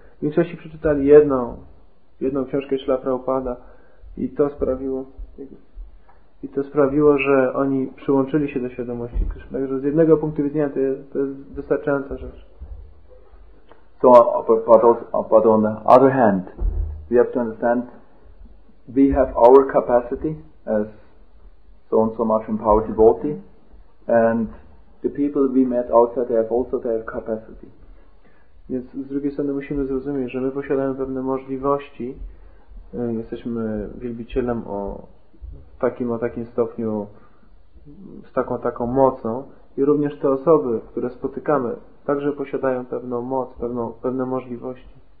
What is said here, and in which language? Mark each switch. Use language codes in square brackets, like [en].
[pl] W większości przeczytali jedną książkę Śla Prabhupada i to sprawiło, I to sprawiło, że oni przyłączyli się do świadomości Krishna. Także z jednego punktu widzenia to jest wystarczająca rzecz. [en] So, but on the other hand, we have to understand, we have our capacity as so and so much empowered devotee, and the people we met outside, they have also their capacity. [pl] Więc z drugiej strony musimy zrozumieć, że my posiadamy pewne możliwości, jesteśmy wielbicielem o takim stopniu, z taką mocą, i również te osoby, które spotykamy, także posiadają pewną moc, pewne możliwości.